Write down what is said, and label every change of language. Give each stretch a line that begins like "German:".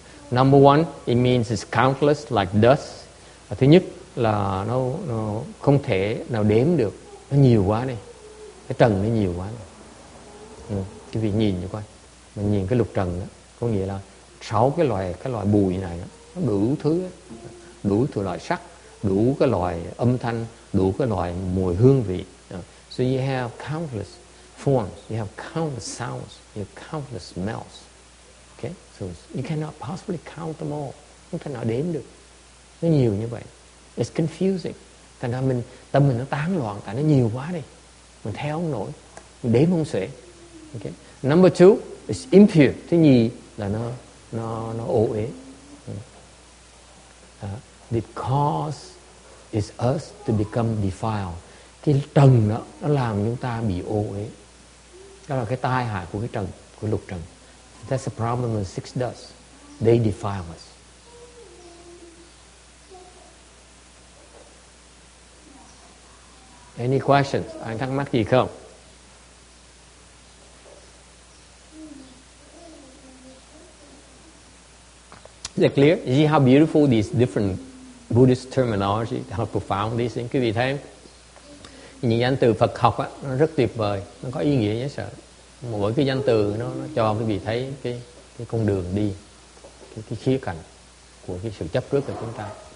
English: Number one, it means it's countless like dust.
Vietnamese: Thứ nhất là nó không thể nào đếm được, nó nhiều quá đi, cái trần nó nhiều quá. Quý vị nhìn cho coi, mình nhìn cái lục trần đó, có nghĩa là sáu cái loại bụi này đó, nó đủ thứ loại sắc, đủ cái loại âm thanh, đủ cái loại mùi hương vị.
English: So you have countless forms, you have countless sounds, you have countless smells. Okay, so you cannot possibly count them all,
Vietnamese: không thể nào đếm được, nó nhiều như vậy.
English: It's confusing.
Vietnamese: Thành ra mình tâm mình nó tán loạn, tại nó nhiều quá đi, mình theo không nổi, mình đếm không xuể.
English: Okay. Number two is impure.
Vietnamese: Thứ nhì là nó ô uế.
English: It causes us to become defiled.
Vietnamese: Cái trần đó nó làm chúng ta bị ô uế. Đó là cái tai hại của cái trần, của lục trần.
English: That's the problem with six dust. They defile us. Any questions?
Vietnamese: Ai thắc mắc gì không?
English: Is it clear? You see how beautiful these different Buddhist terminology, how profound these things.
Vietnamese: Quý vị thấy những danh từ Phật học á, nó rất tuyệt vời, nó có ý nghĩa nhất sợ. Mỗi cái danh từ nó cho quý vị thấy cái con đường đi, cái khía cạnh của cái sự chấp trước của chúng ta.